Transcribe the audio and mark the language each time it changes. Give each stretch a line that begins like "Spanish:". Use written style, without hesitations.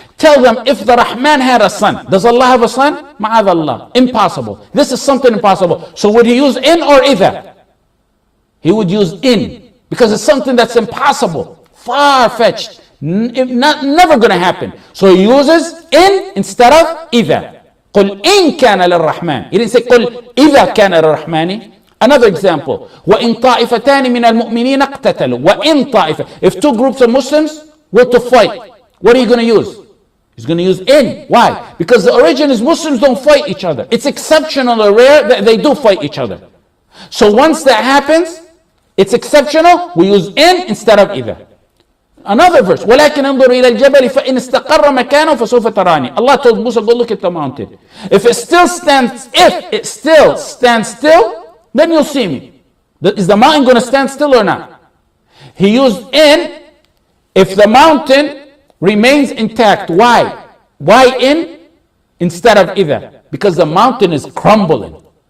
English: Tell them, if the Rahman had a son, does Allah have a son?
Arabic: مَعَذَ اللَّهِ.
English: Impossible. This is something impossible. So would he use in or either? He would use in, because it's something that's impossible, far-fetched, never going to happen. So he uses in instead of either.
Arabic: قُلْ إِن كَانَ لِلرَّحْمَانِ.
English: He didn't say,
Arabic: قُلْ إِذَا كَانَ لِلرَّحْمَانِ.
English: Another example,
Arabic: وَإِنْ طَائِفَتَانِ مِنَ الْمُؤْمِنِينَ اقْتَتَلُوا. وَإِنْ طَائِفَ.
English: If two groups of Muslims were to fight, what are you going to use? He's going to use in. Why? Because the origin is Muslims don't fight each other. It's exceptional or rare that they do fight each other. So once that happens, it's exceptional, we use in instead of either. Another verse,
Arabic: وَلَكِنْ أَنْظُرْ إِلَى الْجَبَلِ فَإِنْ اسْتَقَرَّ مَكَانُ فَسُوفَ تَرَانِي.
English: Allah told Musa, go look at the mountain. If it still stands still, then you'll see me. Is the mountain going to stand still or not? He used in, if the mountain remains intact. Why? Why in instead of either? Because the mountain is crumbling.